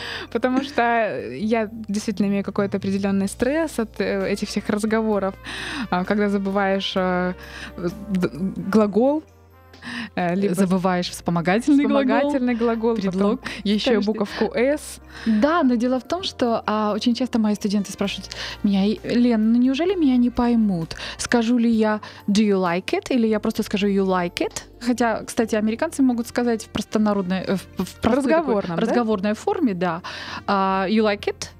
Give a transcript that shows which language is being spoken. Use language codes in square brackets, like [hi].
[ru] Потому что я действительно имею какой-то определенный стресс от этих всех разговоров, когда забываешь глагол. Либо забываешь вспомогательный глагол, предлог, потом еще и буковку «С». Да, но дело в том, что очень часто мои студенты спрашивают меня: «Лен, ну неужели меня не поймут? Скажу ли я [en] «Do you like it?» [ru] или я просто скажу [en] «You like it?» [ru] Хотя, кстати, американцы могут сказать в простонародной, в разговорной форме, да, [en] «You like it?»